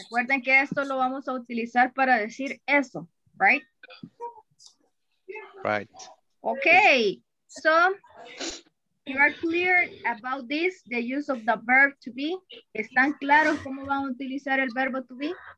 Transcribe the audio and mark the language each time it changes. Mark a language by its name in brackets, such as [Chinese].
[Spanish] Recuerden que esto lo vamos a utilizar para decir eso, right? [English] Right. Okay, so you are clear about this, the use of the verb to be. [Spanish] ¿Están claros cómo van a utilizar el verbo to be?